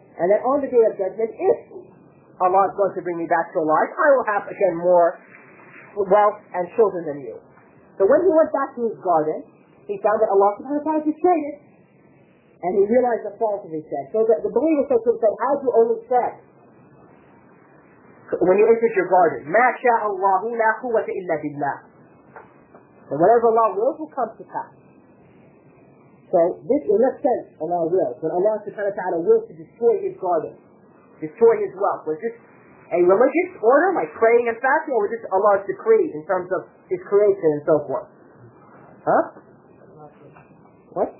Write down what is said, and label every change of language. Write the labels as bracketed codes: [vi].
[en] And that on the day of judgment, if Allah is going to bring me back to life, I will have again more wealth and children than you. So when he went back to his garden, he found that Allah subhanahu wa ta'ala betrayed. And he realized the fault of his sin. So the believer said to himself, how do you only say? When you entered your garden, [ar] ما شاء الله لا قوة إلا بالله. [en] So whatever Allah wills will come to pass. So this in a sense Allah wills. When Allah subhanahu wa ta'ala wills to destroy his garden, destroy his wealth, was this a religious order like praying and fasting, or was this Allah's decree in terms of his creation and so forth? Huh? What?